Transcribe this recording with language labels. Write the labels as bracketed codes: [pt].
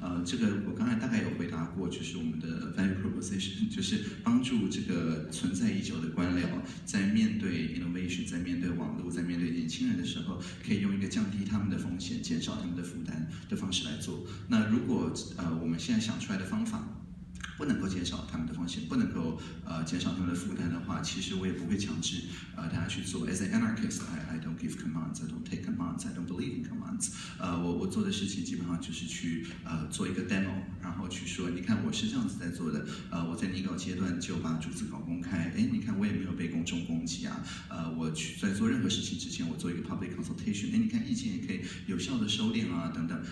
[zh] 这个我刚才大概有回答过，就是我们的 value proposition， 就是帮助这个存在已久的官僚在面对 innovation， 在面对网络，在面对年轻人的时候，可以用一个降低他们的风险、减少他们的负担的方式来做。那如果我们现在想出来的方法不能够减少他们的风险，不能够减少他们的负担的话，其实我也不会强制大家去做。 [en] As an anarchist, I don't give commands, I don't take commands, I don't believe in commands。 [zh] 我做的事情基本上就是去做一个 demo， 然后去说，你看我是这样子在做的。我在拟稿阶段就把逐字稿公开。哎，你看我也没有被公众攻击啊。我去在做任何事情之前，我做一个 public consultation。哎，你看意见也可以有效的收敛啊，等等。